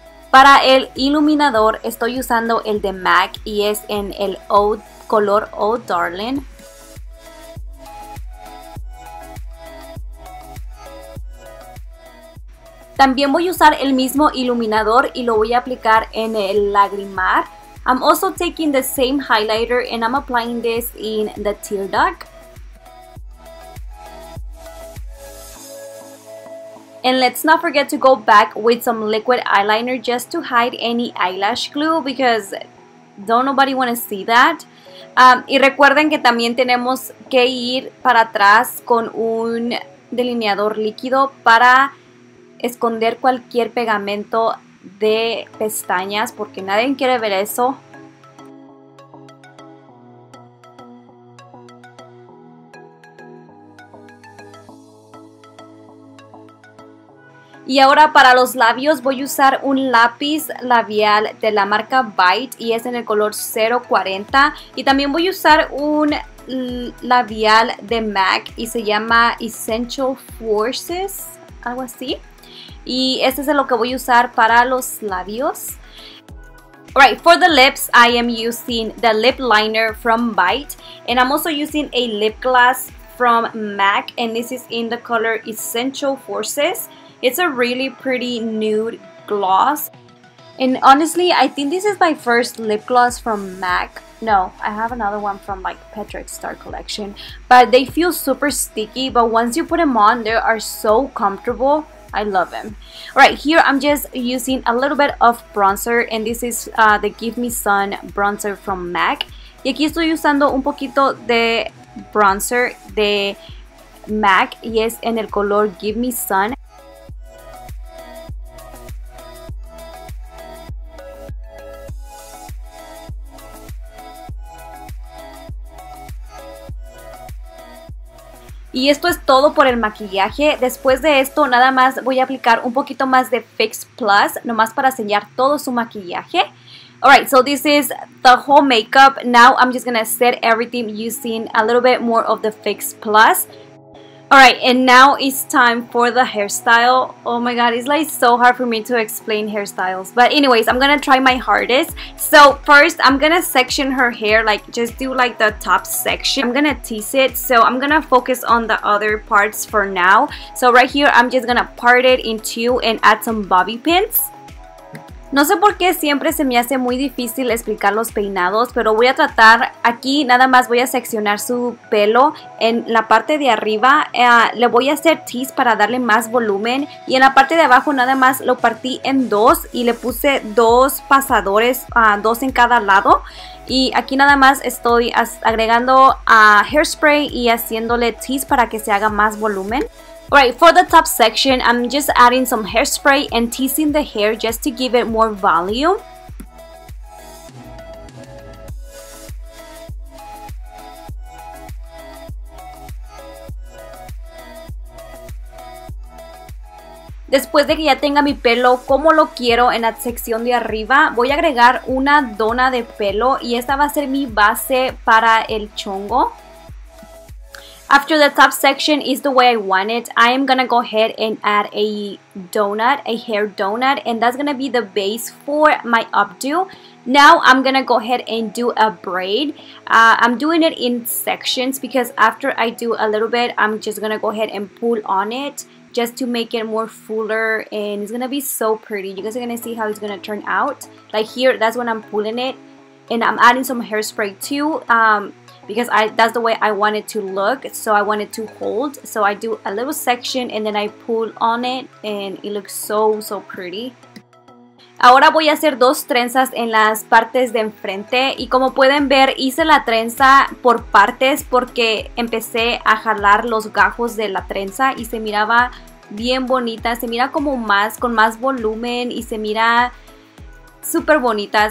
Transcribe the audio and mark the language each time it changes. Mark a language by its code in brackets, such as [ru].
[es] Para el iluminador, estoy usando el de MAC y es en el color Oh Darling. También voy a usar el mismo iluminador y lo voy a aplicar en el lagrimar. [en] I'm also taking the same highlighter and I'm applying this in the tear duct. And let's not forget to go back with some liquid eyeliner just to hide any eyelash glue because don't nobody want to see that. [es] Y recuerden que también tenemos que ir para atrás con un delineador líquido para esconder cualquier pegamento de pestañas porque nadie quiere ver eso. Y ahora para los labios voy a usar un lápiz labial de la marca Bite y es en el color 040. Y también voy a usar un labial de MAC y se llama Essential Forces, algo así. Y este es lo que voy a usar para los labios. [en] Alright, for the lips, I am using the lip liner from Bite. And I'm also using a lip gloss from MAC and this is in the color Essential Forces. It's a really pretty nude gloss. And honestly, I think this is my first lip gloss from MAC. No, I have another one from like Patrick Star Collection. But they feel super sticky. But once you put them on, they are so comfortable. I love them. All right, here I'm just using a little bit of bronzer. And this is the Give Me Sun bronzer from MAC. [es] Y aquí estoy usando un poquito de bronzer de MAC. Y es en el color Give Me Sun. Y esto es todo por el maquillaje. Después de esto, nada más voy a aplicar un poquito más de Fix Plus, nomás para sellar todo su maquillaje. [en] Alright, so this is the whole makeup. Now I'm just gonna set everything using a little bit more of the Fix Plus. Alright, and now it's time for the hairstyle. Oh my god, it's like so hard for me to explain hairstyles. But anyways, I'm gonna try my hardest. So first, I'm gonna section her hair, like just do like the top section. I'm gonna tease it, so I'm gonna focus on the other parts for now. So right here, I'm just gonna part it in two and add some bobby pins. [es] No sé por qué siempre se me hace muy difícil explicar los peinados, pero voy a tratar aquí, nada más voy a seccionar su pelo en la parte de arriba. Le voy a hacer tease para darle más volumen y en la parte de abajo nada más lo partí en dos y le puse dos pasadores, dos en cada lado. Y aquí nada más estoy agregando hairspray y haciéndole tease para que se haga más volumen. [en] Alright, for the top section, I'm just adding some hairspray and teasing the hair just to give it more volume. [es] Después de que ya tenga mi pelo como lo quiero en la sección de arriba, voy a agregar una dona de pelo y esta va a ser mi base para el chongo. [en] After the top section is the way I want it, I am gonna go ahead and add a donut, a hair donut, and that's gonna be the base for my updo. Now I'm gonna go ahead and do a braid. I'm doing it in sections because after I do a little bit, I'm just gonna go ahead and pull on it just to make it more fuller, and it's gonna be so pretty. You guys are gonna see how it's gonna turn out. Like here, that's when I'm pulling it, and I'm adding some hairspray too. Because that's the way I want it to look, so I want it to hold. So I do a little section and then I pull on it and it looks so pretty. [es] Ahora voy a hacer dos trenzas en las partes de enfrente y como pueden ver hice la trenza por partes porque empecé a jalar los gajos de la trenza y se miraba bien bonita, se mira como más, con más volumen y se mira súper bonita.